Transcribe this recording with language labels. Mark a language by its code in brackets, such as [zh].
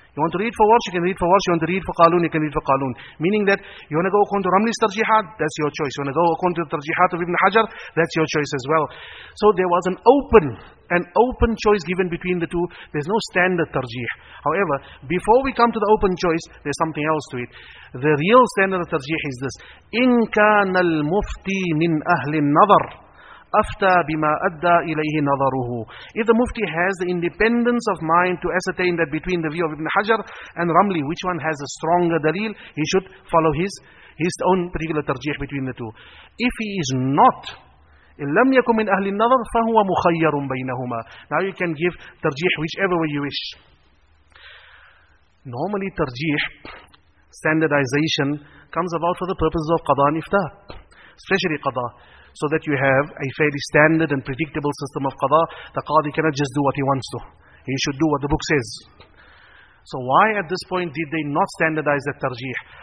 [en] You want to read for Warsh, you can read for Warsh. You want to read for Qalun, you can read for Qalun. Meaning that you want to go according to Ramli's Tarjihad, that's your choice. You want to go according to the Tarjihad of Ibn Hajar, that's your choice as well. So there was an open choice given between the two. There's no standard Tarjih. However, before we come to the open choice, there's something else to it. The real standard of Tarjih is this: [ar] إِن كَانَ الْمُفْتِي مِنْ أَهْلِ النَّظَرِ أَفْتَى بِمَا أَدَّى إِلَيْهِ نَظَرُهُ. [en] If the Mufti has the independence of mind to ascertain that between the view of Ibn Hajar and Ramli, which one has a stronger dalil, he should follow his own particular tarjih between the two. If he is not, [ar] إِن لَمْ يَكُمْ مِنْ أَهْلِ النَّظَرِ فَهُوَ مُخَيَّرٌ بَيْنَهُمَا. [en] Now you can give tarjih whichever way you wish. Normally tarjih, standardization, comes about for the purposes of qada and iftah, especially qada, so that you have a fairly standard and predictable system of qada. The qadi cannot just do what he wants to. He should do what the book says. So why at this point did they not standardize that tarjih?